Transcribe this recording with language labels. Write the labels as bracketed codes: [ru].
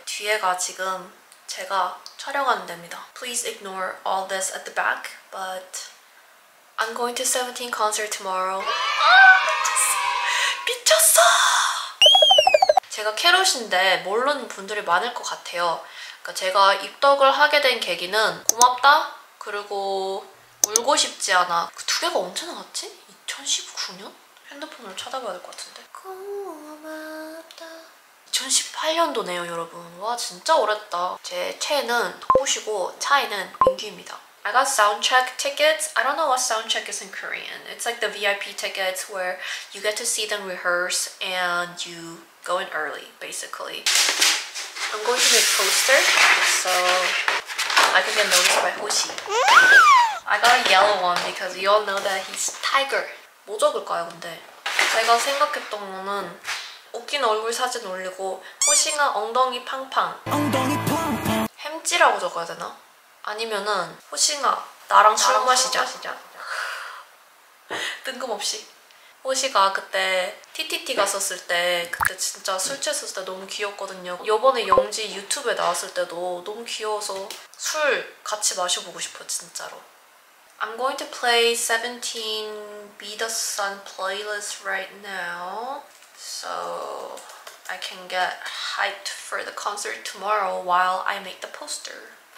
[ko] 뒤에가 지금 제가 촬영하는 데입니다. [en] Please ignore all this at the back, but I'm going to 17 concert tomorrow. [ko] 아, 미쳤어! 제가 캐롯인데 모르는 분들이 많을 것 같아요. 그러니까 제가 입덕을 하게 된 계기는 고맙다? 그리고 울고 싶지 않아. 그 두 개가 언제 나왔지? 2019년? 핸드폰을 찾아봐야 될 것 같은데. 고맙다. 2018년도네요, 여러분. 와, 진짜 오랫다. 제 체는 톡보시고 차이는 민규입니다. [en] I got soundcheck tickets. I don't know what soundcheck is in Korean. It's like the VIP tickets where you get to see them rehearse and you go in early, basically. I'm going to make poster so I can get noticed by Hoshi. I got a yellow one because you all know that he's tiger. [ko] 뭐 적을까요, 근데? 제가 생각했던 거는 웃긴 얼굴 사진 올리고 호시가 엉덩이 팡팡 엉덩이 팡팡 햄찌라고 적어야 되나? 아니면은 호시가 나랑 술 마시자, 마시자. 뜬금없이 호시가 그때 TTT 갔었을 때 그때 진짜 술 취했을 때 너무 귀엽거든요. 요번에 영지 유튜브에 나왔을 때도 너무 귀여워서 술 같이 마셔보고 싶어 진짜로. [en] I'm going to play 17 Be The Sun playlist right now so I can get hyped for the concert tomorrow while I make the poster.